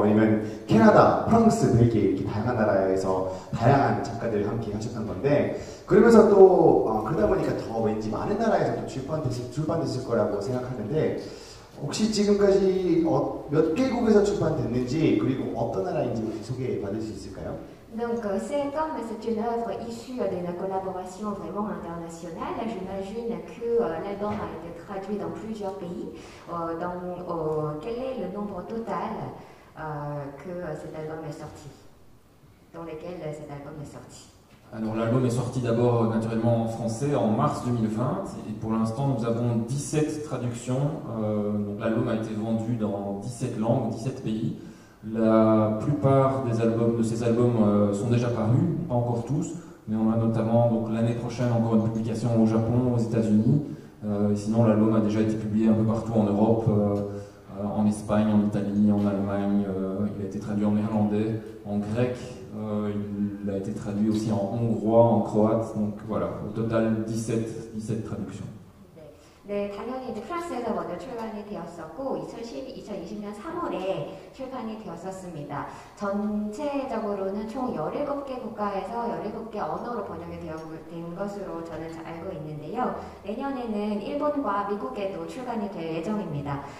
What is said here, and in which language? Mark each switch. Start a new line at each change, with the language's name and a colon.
Korean: 왜냐면 캐나다, 프랑스, 벨기에 이렇게 다양한 나라에서 다양한 작가들 함께 하셨던 건데 그러면서 또 그러다 보니까 더 왠지 많은 나라에서 출판됐을 거라고 생각하는데 혹시 지금까지 몇 개국에서 출판됐는지 그리고 어떤 나라인지 소개받을 수 있을까요?
French: Donc c'est comme c'est une œuvre issue d'une collaboration vraiment internationale. J'imagine que l'album a été traduit dans plusieurs pays. Quel est le nombre total que cet album est sorti? Dans lesquels cet album est sorti? Alors l'album est sorti d'abord naturellement en français en mars 2020 et pour l'instant nous avons 17 traductions. Donc l'album a été vendu dans 17 langues, 17 pays. La plupart de ces albums sont déjà parus, pas encore tous, mais on a notamment donc l'année prochaine encore une publication au Japon, aux États-Unis. Sinon l'album a déjà été publié un peu partout en Europe, en Espagne, en Italie, en Allemagne. Il a été traduit en néerlandais, en grec. Il a été traduit aussi en hongrois, en croate, donc voilà, au total 17 traductions.
Korean: 네, 당연히 이제 프랑스에서 먼저 출간이 되었었고 2020년 3월에 출간이 되었었습니다. 전체적으로는 총 17개 국가에서 17개 언어로 번역이 된 것으로 저는 알고 있는데요. 내년에는 일본과 미국에도 출간이 될 예정입니다.